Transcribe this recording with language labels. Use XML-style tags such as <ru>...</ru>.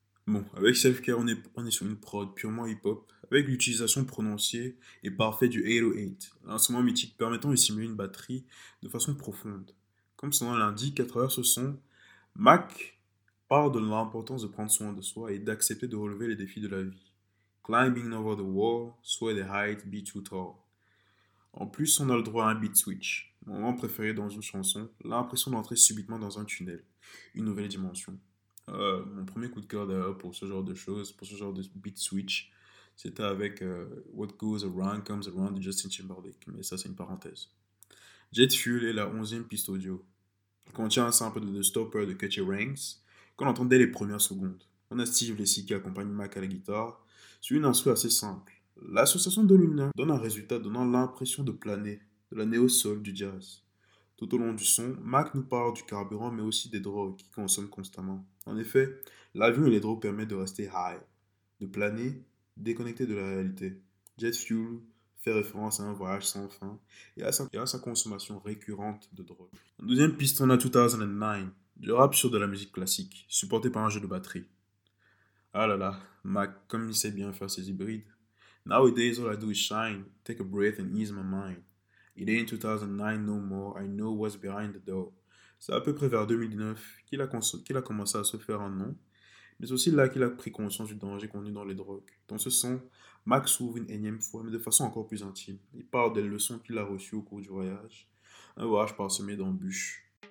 <fr>Bon, avec Self-Care, on est sur une prod purement hip-hop, avec l'utilisation prononcée et parfaite du 808, l'instrument mythique permettant de simuler une batterie de façon profonde. Comme son nom l'indique, à travers ce son, Mac parle de l'importance de prendre soin de soi et d'accepter de relever les défis de la vie.</fr> <en>Climbing over the wall, swear the height be too tall.</en> <fr>En plus, on a le droit à un beat switch. Mon moment préféré dans une chanson, l'impression d'entrer subitement dans un tunnel, une nouvelle dimension. Mon premier coup de cœur d'ailleurs pour ce genre de choses, pour ce genre de beat switch, c'était avec What Goes Around Comes Around de Justin Timberlake, mais ça c'est une parenthèse. Jet Fuel est la 11e piste audio. Il contient un sample de The Stopper de Kutcher Ranks, qu'on entend dès les premières secondes. On a Steve Lacy qui accompagne Mac à la guitare, sur une instru assez simple. L'association de l'une donne un résultat donnant l'impression de planer, de la néo-soul du jazz. Tout au long du son, Mac nous parle du carburant mais aussi des drogues qu'il consomme constamment. En effet, l'avion et les drogues permettent de rester high, de planer, déconnecté de la réalité. Jet Fuel fait référence à un voyage sans fin et à sa consommation récurrente de drogue. Un deuxième piste, on a 2009, du rap sur de la musique classique, supporté par un jeu de batterie. Ah là là, Mac, comme il sait bien faire ses hybrides.</fr> <en>Nowadays, all I do is shine, take a breath and ease my mind. It ain't 2009 no more, I know what's behind the door.</en> <fr>C'est à peu près vers 2019 qu'il a commencé à se faire un nom, mais c'est aussi là qu'il a pris conscience du danger contenu dans les drogues. Dans ce son, Mac s'ouvre une énième fois, mais de façon encore plus intime. Il parle des leçons qu'il a reçues au cours du voyage, un voyage parsemé d'embûches.</fr>